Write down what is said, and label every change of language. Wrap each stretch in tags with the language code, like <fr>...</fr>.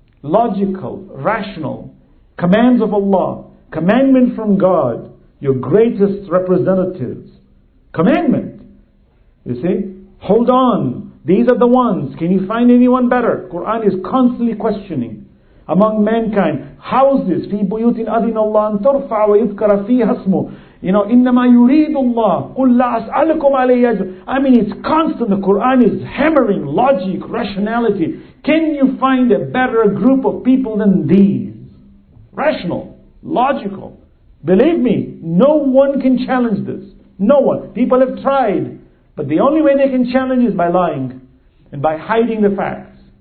<en>Logical, rational, commands of Allah, commandment from God, your greatest representatives. Commandment. You see? Hold on. These are the ones. Can you find anyone better? Quran is constantly questioning among mankind. Houses.</en> <ar>في بيوت أذن الله أن ترفع ويذكر فيها اسمه. You know, إنما يريد الله قل لا أسألكم عليه أجر.</ar> <en>I mean, it's constant. The Quran is hammering logic, rationality. Can you find a better group of people than these? Rational, logical. Believe me, no one can challenge this. No one. People have tried. But the only way they can challenge is by lying and by hiding the facts.</en>